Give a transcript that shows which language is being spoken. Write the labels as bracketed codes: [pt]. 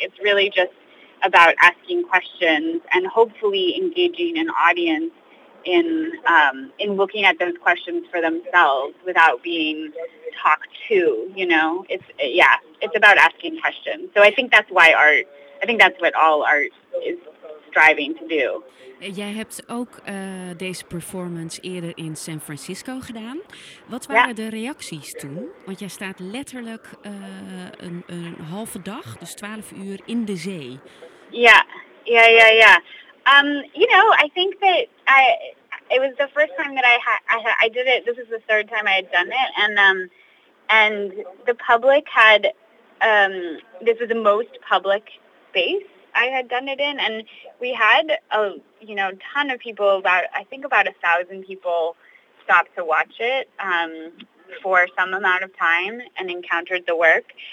[en] It's really just about asking questions and hopefully engaging an audience in looking at those questions for themselves without being talked to, you know? It's about asking questions. So I think that's why art, I think that's what all art is striving to do. [nl] Jij hebt ook deze performance eerder in San Francisco gedaan. Wat waren de reacties toen? Want jij staat letterlijk een halve dag, dus 12 uur, in de zee. Ja. [en] You know, I think that it was the first time that I did it. This is the third time I had done it, and the public had this was the most public space I had done it in, and we had a ton of people, about 1,000 people stopped to watch it for some amount of time and encountered the work.